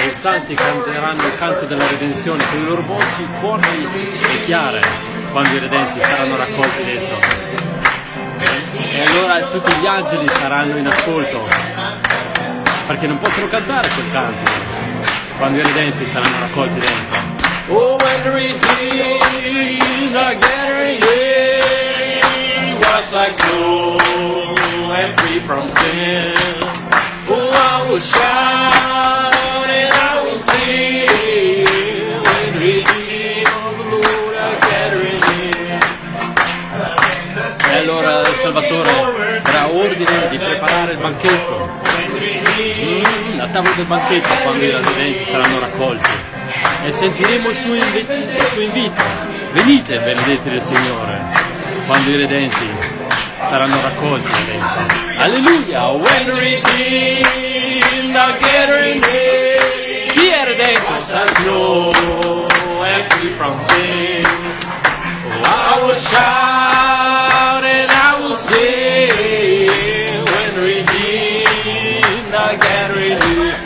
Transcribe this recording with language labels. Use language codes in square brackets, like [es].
[it] E i santi canteranno il canto della redenzione con le loro voci forti e chiare quando i redenti saranno raccolti dentro. E allora tutti gli angeli saranno in ascolto, perché non possono cantare quel canto quando i redenti saranno raccolti dentro. [en] Oh, when the redeemed are gathering in, washed like snow and free from sin. Oh, I will shout and I will sing when the redeemed of the Lord are gathering in. [it] E allora il Salvatore darà ordine di preparare il banchetto, la tavola del banchetto, quando i redenti saranno raccolti. E sentiremo il suo invito. Venite, benedetti del Signore, quando i redenti saranno raccolti. Alleluia! [en] When redeemed are gathering in, [it] chi è redento? [en] Washed snow and free from sin. Oh, I will shout and I will sing when redeemed are gathering in.